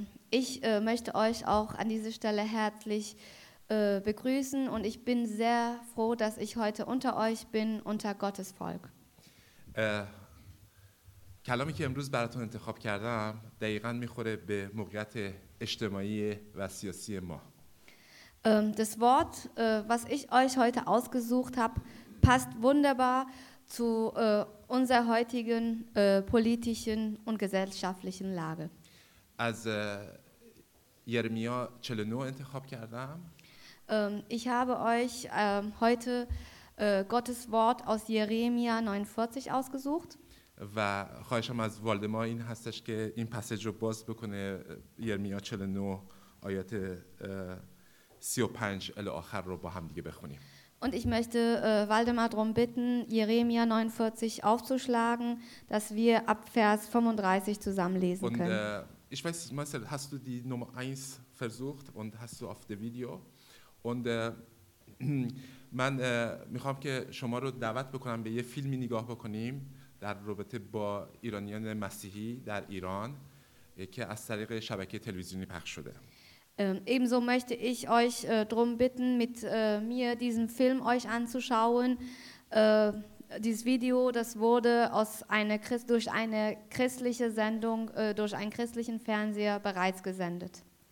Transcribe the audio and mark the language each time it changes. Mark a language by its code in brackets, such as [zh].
[de] Ich möchte euch auch an dieser Stelle herzlich begrüßen und ich bin sehr froh, dass ich heute unter euch bin, unter Gottes Volk. [fa] کلامی که امروز براتون انتخاب کردم دقیقاً میخوره به موقعیت اجتماعی و سیاسی ما. [de] Das Wort, was ich euch heute ausgesucht habe, passt wunderbar zu unserer heutigen politischen und gesellschaftlichen Lage. [fa] از یرمیا 49 انتخاب کردم. [de] Ich habe euch heute Gottes Wort aus Jeremia 49 ausgesucht. [fa] و خواهشم از والدمار این هستش که این پسیج رو باز بکنه یرمیا 49 آیات 35 الی آخر رو با هم دیگه بخونیم. [de] Und ich möchte Waldemar darum bitten, Jeremia 49 aufzuschlagen, dass wir ab Vers 35 zusammen lesen können. Und ich weiß, Marcel, hast du die Nummer 1 versucht und hast du auf dem Video? Und man [fa] میخوام که شما رو دعوت بکنم به یه فیلمی نگاه بکنیم در رابطه با ایرانیان مسیحی در ایران که از طریق شبکه تلویزیونی پخش شده. [de] Ebenso möchte ich euch drum bitten, mit mir diesen Film euch anzuschauen. Dieses Video, das wurde durch eine christliche Sendung, durch einen christlichen Fernseher bereits gesendet.